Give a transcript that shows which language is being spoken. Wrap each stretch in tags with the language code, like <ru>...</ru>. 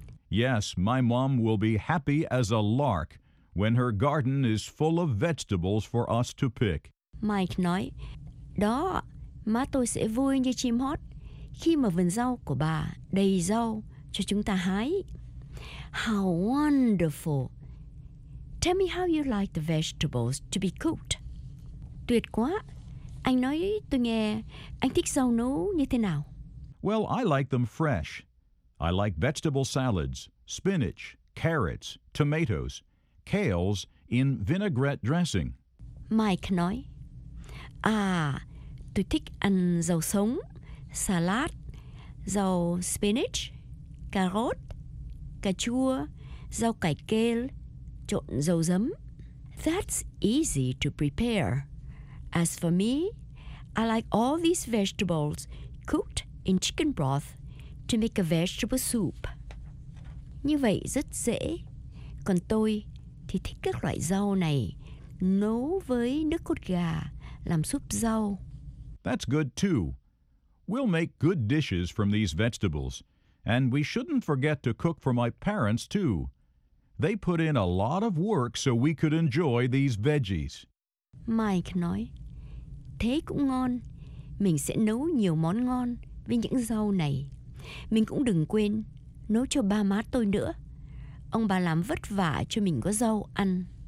<en>Yes, my mom will be happy as a lark when her garden is full of vegetables for us to pick.</en> <vi>Mike nói, đó, má tôi sẽ vui như chim hót khi mà vườn rau của bà đầy rau cho chúng ta hái.</vi> <en>How wonderful! Tell me how you like the vegetables to be cooked.</en> <vi>Tuyệt quá! Anh nói tôi nghe, anh thích rau nấu như thế nào?</vi> <en>Well, I like them fresh. I like vegetable salads, spinach, carrots, tomatoes, kales in vinaigrette dressing.</en> <vi>Mike nói, à, tôi thích ăn rau sống, salad, rau spinach, carrot, cà chua, rau cải kale, trộn dầu giấm.</vi> <en>That's easy to prepare. As for me, I like all these vegetables cooked in chicken broth to make a vegetable soup.</en> <vi>Như vậy rất dễ. Còn tôi thì thích các loại rau này nấu với nước cốt gà làm súp rau.</vi> <en>That's good too. We'll make good dishes from these vegetables. And we shouldn't forget to cook for my parents too. They put in a lot of work so we could enjoy these veggies.</en> <vi>Mike nói, thế cũng ngon. Mình sẽ nấu nhiều món ngon với những rau này. Mình cũng đừng quên nấu cho ba má tôi nữa. Ông bà làm vất vả cho mình có rau ăn.</vi>